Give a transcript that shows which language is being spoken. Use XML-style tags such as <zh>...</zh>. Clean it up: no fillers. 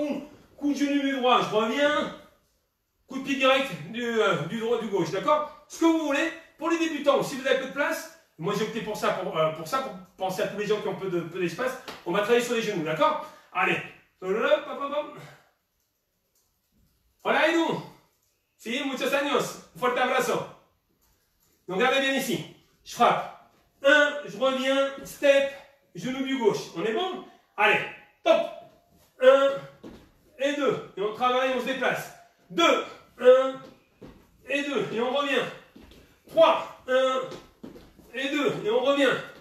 <fr>Ou coup de genou du droit, je reviens, coup de pied direct du droit du gauche, d'accord. Ce que vous voulez, pour les débutants, si vous avez peu de place, moi j'ai opté pour ça, pour penser à tous les gens qui ont peu d'espace, on va travailler sur les genoux, d'accord. Allez, hop, hop, hop, hop. Voilà, et nous.</fr> <es>Si, muchos años, fuerte abrazo.</es> <fr>Donc, regardez bien ici. Je frappe. 1, je reviens, step, genou du gauche. On est bon? Allez, top. 1 et 2. Et on travaille, on se déplace. 2, 1 et 2. Et on revient. 3, 1 et 2. Et on revient.</fr>